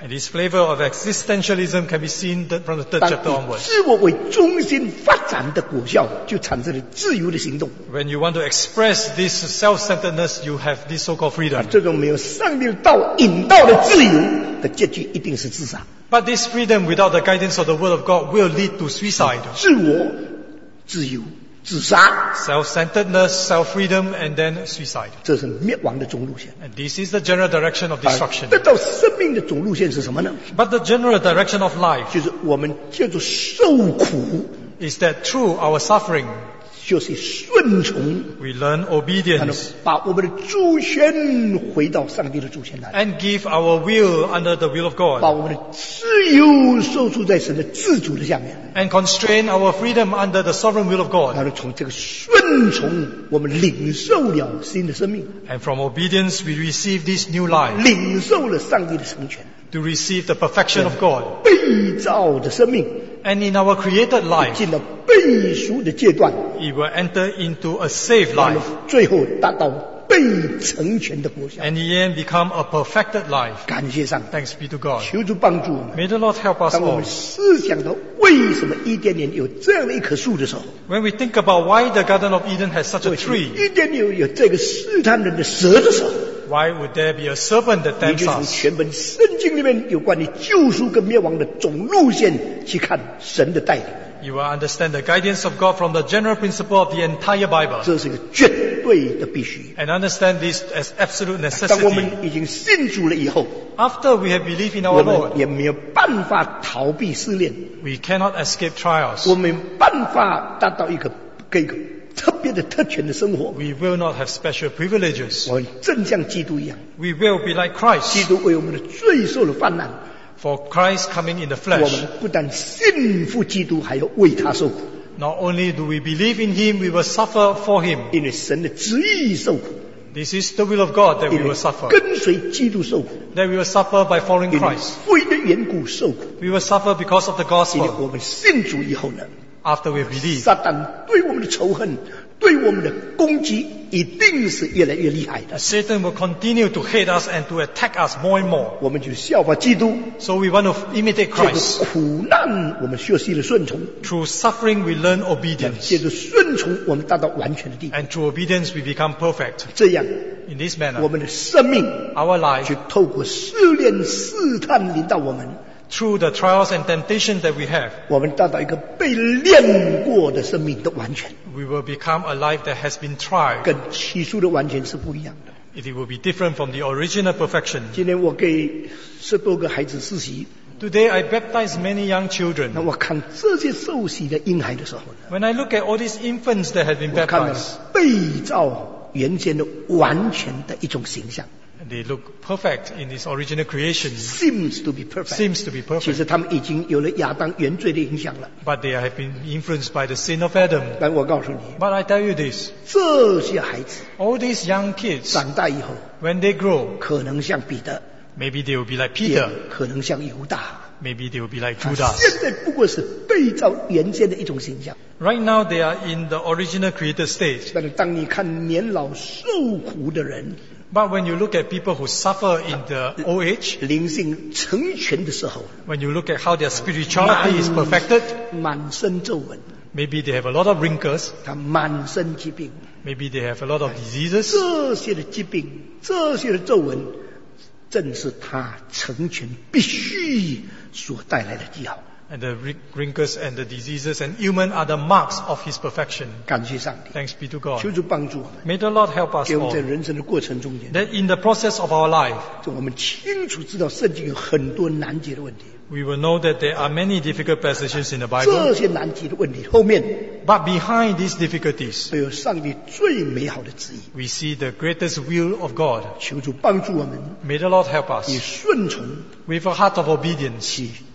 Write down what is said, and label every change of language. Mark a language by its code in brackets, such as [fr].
[en] And this flavor of existentialism can be seen from the third chapter onwards. [zh] 自我为中心发展的果效，就产生了自由的行动。 [en] When you want to express this self-centeredness, you have this so-called freedom. [zh] 这种没有上帝的道引导的自由的结局，一定是自杀。 [en] But this freedom without the guidance of the word of God will lead to suicide. [zh] 自我、自由、自杀。 [en] Self-centeredness, self-freedom, and then suicide. [zh] 这是灭亡的总路线。 [en] And this is the general direction of destruction. [zh] 得到生命的总路线是什么呢？ [en] But the general direction of life. [zh] 就是我们借着受苦。 [en] Is that through our suffering. [zh] 就是顺从。 [en] We learn obedience. [zh] 把我们的主权回到上帝的主权来。 [en] And give our will under the will of God. [zh] 把我们的自由受住在神的自主的下面。 [en] And constrain our freedom under the sovereign will of God. [zh] 然后从这个顺从，我们领受了新的生命。 [en] And from obedience, we receive this new life. [zh] 领受了上帝的成全。 [en] To receive the perfection of God. [zh] 被造的生命。 [en] And in our created life, [zh] 进了被赎的阶段， [en] it will enter into a safe life. [zh] 最后达到被成全的果效。 [en] And in the end, become a perfected life. [zh] 感谢上帝。 [en] Thanks be to God. [zh] 求主帮助我们。 [en] May the Lord help us all. [zh] 当我们思想到为什么伊甸园有这样的一棵树的时候， [en] when we think about why the Garden of Eden has such a tree, [zh] 伊甸园有这个试探人的蛇的时候。 [en] Why would there be a serpent that tempts us? [zh] 你就从全本圣经里面有关于救赎跟灭亡的总路线去看神的带领。 [en] You will understand the guidance of God from the general principle of the entire Bible. [zh] 这是一个绝对的必须。 [en] And understand this as absolute necessity. [zh] 当我们已经信主了以后， [en] after we have believed in our Lord, [zh] 我们也没有办法逃避试炼。 [en] We cannot escape trials. [zh] 我们办法达到一个给一个。特别的特权的生活。 [en] We will not have special privileges. [zh] 我们正像基督一样。 [en] We will be like Christ. [zh] 基督为我们的罪受了患难。 [en] For Christ coming in the flesh. [zh] 我们不但信服基督，还要为他受苦。 [en] Not only do we believe in him, we will suffer for him. [zh] 因为神的旨意受苦。 [en] This is the will of God that we will suffer. [zh] 跟随基督受苦。 [en] That we will suffer by following Christ. [zh] 因为福音的缘故受苦。 [en] We will suffer because of the gospel. [zh] 因为我们信主以后呢。 [en] After we believe, [zh] 撒旦对我们的仇恨，对我们的攻击，一定是越来越厉害的。 [en] Satan will continue to hate us and to attack us more and more. [zh] 我们就效法基督。 [en] So we want to imitate Christ. [zh] 借着苦难，我们学习了顺从。 [en] Through suffering, we learn obedience. [zh] 借着顺从，我们达到完全的地步。 [en] And through obedience, we become perfect. [zh] 这样 [en] ，in this manner, [zh] 我们的生命 [en] ，our life, [zh] 去透过试炼试探临到我们。 [en] Through the trials and temptation that we have, [zh] 我们达到一个被炼过的生命的完全。 [en] We will become a life that has been tried. [zh] 跟起初的完全是不一样的。 [en] It will be different from the original perfection. [zh] 今天我给十多个孩子施洗。 [en] Today I baptize many young children. [zh] 那我看这些受洗的婴孩的时候呢？ [en] When I look at all these infants that have been baptized, [zh] 我看到被造原先的完全的一种形象。 [en] They look perfect in this original creation. Seems to be perfect. Seems to be perfect. [zh] 其实他们已经有了亚当原罪的影响了。 [en] But they have been influenced by the sin of Adam. [zh] 但我告诉你。 [en] But I tell you this. [zh] 这些孩子。 [en] All these young kids. [zh] 长大以后。 [en] When they grow. [zh] 可能像彼得。 [en] Maybe they will be like Peter. [zh] 可能像犹大。 [en] Maybe they will be like Judas. [zh] 现在不过是被造原先的一种形象。 [en] Right now they are in the original created state. [zh] 但是当你看年老受苦的人。 [en] But when you look at people who suffer in the old age, [zh] 灵性成全的时候, [en] when you look at how their spirituality is perfected, [zh] 满身皱纹, [en] maybe they have a lot of wrinkles, [zh] 他满身疾病, [en] maybe they have a lot of diseases, [zh] 这些的疾病, 这些的皱纹, 正是他成全必须所带来的记号。 [en] And the wrinkles and the diseases and ailments are the marks of his perfection. [zh] 感谢上帝。 [en] Thanks be to God. [zh] 求主帮助我们。 [en] May the Lord help us all. [zh] 给我们在人生的过程中间。 [en] That in the process of our life, [zh] 就我们清楚知道圣经有很多难解的问题。 [en] We will know that there are many difficult passages in the Bible. [zh] 这些难解的问题后面。 [en] But behind these difficulties, [zh] 有上帝最美好的旨意。 [en] We see the greatest will of God. [zh] 求主帮助我们。 [en] May the Lord help us. [zh] 以顺从。 With a heart of obedience.